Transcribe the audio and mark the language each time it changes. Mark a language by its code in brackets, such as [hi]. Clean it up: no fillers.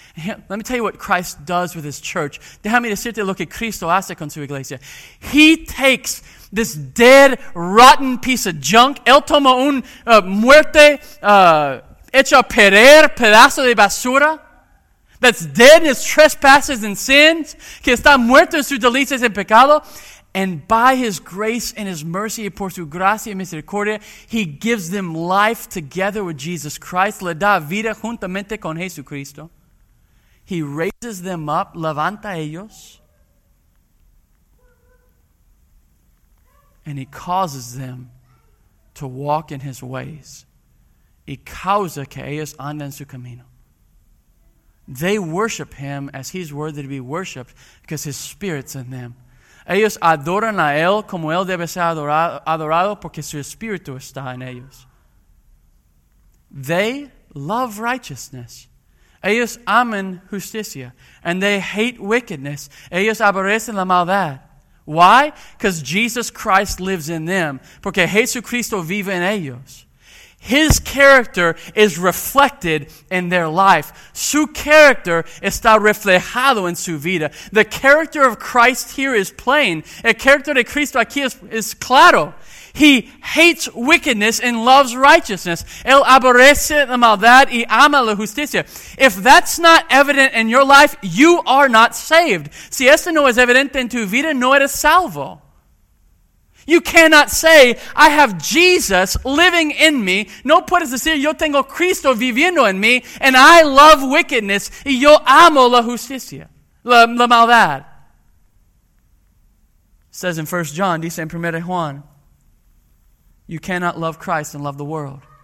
[en] Let me tell you what Christ does with his church. [es] Déjame decirte lo que Cristo hace con su iglesia. [en] He takes this dead, rotten piece of junk. [es] Él toma un muerte hecho a perder, pedazo de basura. [en] That's dead in his trespasses and sins. Que está muerto en sus delitos y pecado. And by his grace and his mercy, por su gracia y misericordia, he gives them life together with Jesus Christ. Le da vida juntamente con Jesucristo. He raises them up, levanta ellos, and he causes them to walk in his ways. [es] Y causa que ellos anden en su camino. [en] They worship him as he's worthy to be worshipped because his spirit's in them. [es] Ellos adoran a él como él debe ser adorado porque su espíritu está en ellos. [en] They love righteousness. Ellos aman justicia, and they hate wickedness. Ellos aborrecen la maldad. Why? Because Jesus Christ lives in them. Porque Jesucristo vive en ellos. His character is reflected in their life. [es] Su character está reflejado en su vida. [en] The character of Christ here is plain. El character de Cristo aquí es claro. He hates wickedness and loves righteousness. [es] Él aborrece la maldad y ama la justicia. [en] If that's not evident in your life, you are not saved. [es] Si esto no es evidente en tu vida, no eres salvo. [en] You cannot say, I have Jesus living in me. [es] No puedes decir, yo tengo Cristo viviendo en me, and I love wickedness y yo amo la justicia, la maldad. [en] It says in 1 John, dice en 1 Juan, you cannot love Christ and love the world.